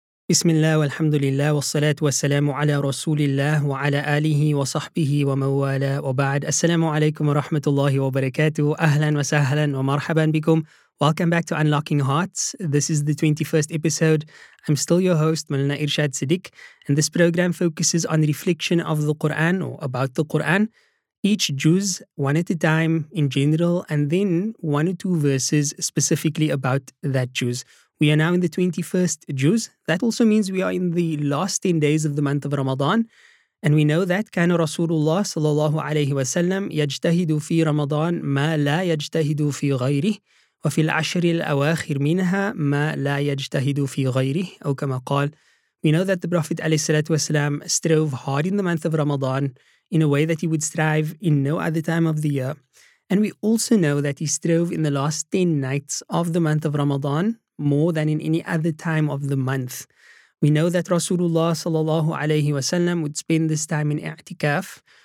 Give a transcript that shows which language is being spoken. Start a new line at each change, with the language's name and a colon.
Arabic: بسم الله والحمد لله والصلاة والسلام على رسول الله وعلى آله وصحبه وموالاه وبعد السلام عليكم ورحمة الله وبركاته أهلا وسهلا ومرحبا بكم.
English: Welcome back to Unlocking Hearts. This is the 21st episode. I'm still your host, Malina Irshad Siddiq, and this program focuses on the reflection of the Quran or about the Quran, each juz, one at a time in general, and then one or two verses specifically about that juz. We are now in the 21st juz. That also means we are in the last 10 days of the month of Ramadan. And we know that
Arabic: كان رسول الله صلى الله عليه وسلم يجتهد في رمضان ما لا يجتهد في غيره وفي العشر الأواخر منها ما لا يجتهد في غيره أو كما قال.
English: We know that the Prophet
Arabic: عليه الصلاة والسلام
English: strove hard in the month of Ramadan in a way that he would strive in no other time of the year. And we also know that he strove in the last 10 nights of the month of Ramadan more than in any other time of the month. We know that Rasulullah
Arabic: sallallahu alayhi wasallam
English: would spend this time in i'tikaf.